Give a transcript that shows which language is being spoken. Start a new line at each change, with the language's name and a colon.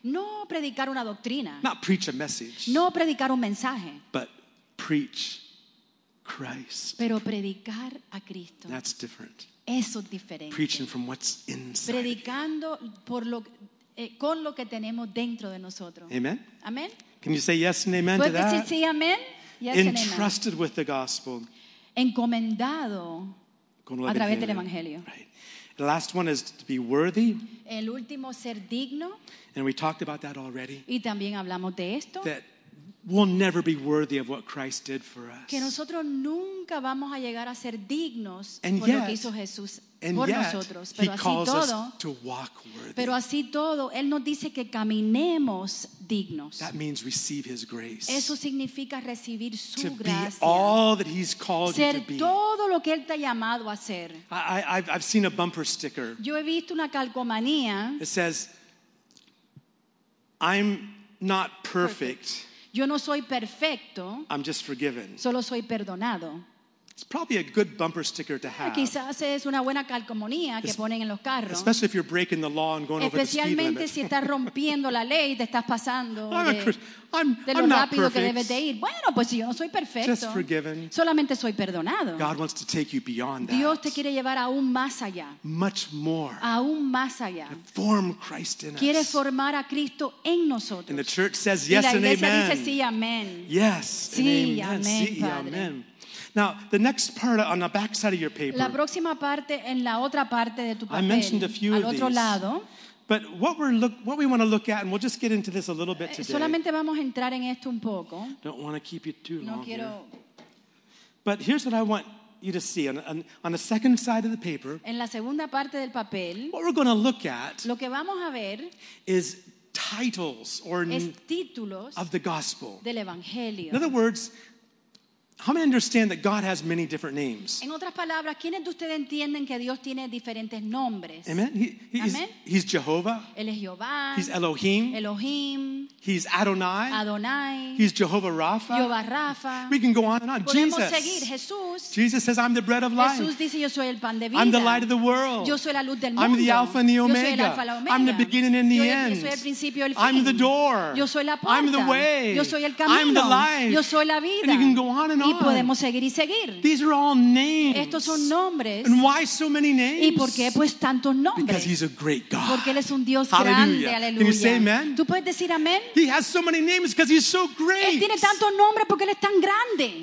Spanish: No predicar una doctrina.
English: Not preach a message.
Spanish: No predicar un mensaje.
English: But preach Christ.
Spanish: Pero predicar a Cristo.
English: That's different.
Spanish: Eso es diferente.
English: Preaching from what's inside.
Spanish: Predicando por lo con lo que tenemos dentro de nosotros.
English: Amen.
Spanish: Amen.
English: Can you say yes and amen to that?
Spanish: Puedes decir sí, amen. Yes.
English: Entrusted and amen. With the gospel.
Spanish: Encomendado a través del evangelio.
English: Right. The last one is to be worthy.
Spanish: El último ser digno.
English: And we talked about that already.
Spanish: Y también hablamos de esto.
English: That we'll never be worthy of what Christ did for us.
Spanish: Que nosotros nunca vamos a llegar a ser dignos por lo que hizo Jesús por nosotros.
English: He calls us to walk worthy.
Spanish: Pero así todo, él nos dice que caminemos dignos.
English: That means receive His grace.
Spanish: Eso significa recibir su
English: to
Spanish: gracia.
English: To be all that He's called
Spanish: ser
English: you to be.
Spanish: Ser todo lo que él te ha llamado a ser.
English: I've seen a bumper sticker.
Spanish: Yo he visto una calcomanía.
English: It says, "I'm not perfect."
Spanish: Yo no soy perfecto.
English: I'm just forgiven.
Spanish: Solo soy perdonado.
English: It's probably a good bumper sticker to have.
Spanish: Quizás es una buena calcomanía que ponen en los carros.
English: Especially if you're breaking the law and going over the speed limit.
Spanish: Especialmente si estás rompiendo la ley, te estás pasando de lo rápido que debes de ir. Bueno, pues si yo no soy perfecto.
English: Just forgiven.
Spanish: Solamente soy perdonado.
English: God wants to take you beyond that.
Spanish: Dios te quiere llevar aún más allá.
English: Much more.
Spanish: Aún más allá.
English: Form Christ in us.
Spanish: Quiere formar a Cristo en nosotros.
English: And the church says yes and amen.
Spanish: Y la iglesia dice sí, amén.
English: Yes,
Spanish: sí,
English: amen. Amen,
Spanish: sí, amen.
English: Now, the next part on the back side of your paper.
Spanish: La próxima parte en la otra parte de tu papel.
English: I mentioned a few
Spanish: al otro
English: of these.
Spanish: Lado,
English: but what we want to look at, and we'll just get into this a little bit today.
Spanish: Solamente vamos a entrar en esto un poco.
English: Don't want to keep you too
Spanish: no
English: long.
Spanish: Quiero...
English: But here's what I want you to see on the second side of the paper.
Spanish: En la segunda parte del papel.
English: What we're going to look at.
Spanish: Lo que vamos a ver
English: is titles or
Spanish: títulos
English: of the gospel.
Spanish: Del evangelio.
English: In other words. How many understand that God has many different names?
Spanish: En otras palabras, ¿quiénes de ustedes entienden que Dios tiene diferentes nombres?
English: Amen. He's Jehovah.
Spanish: Él es Jehová.
English: He's Elohim.
Spanish: Elohim.
English: He's Adonai.
Spanish: Adonai.
English: He's Jehovah Rapha.
Spanish: Jehová Rapha.
English: We can go on and on.
Spanish: Podemos
English: Jesus.
Spanish: Seguir. Jesús.
English: Jesus says, "I'm the bread of life."
Spanish: Jesús dice, "Yo soy el pan de vida."
English: I'm the light of the world.
Spanish: Yo soy la luz del
English: I'm
Spanish: mundo.
English: I'm the Alpha and the Omega.
Spanish: Yo soy el Alfa y la Omega.
English: I'm the beginning and the end.
Spanish: Yo soy el principio y el fin.
English: I'm the door.
Spanish: Yo soy la puerta.
English: I'm the way.
Spanish: Yo soy el camino.
English: I'm the life.
Spanish: Yo soy la vida.
English: And you can go on and on.
Spanish: Y podemos seguir y seguir.
English: These are all names.
Spanish: Estos son nombres.
English: And why so many names?
Spanish: ¿Y por qué pues tantos nombres?
English: Because He's a great God.
Spanish: Porque Él es un Dios Hallelujah. Grande. Aleluya.
English: Can you say amen?
Spanish: ¿Tú puedes decir amén?
English: He has so many names because He's so great.
Spanish: Él tiene tantos nombres porque Él es tan grande.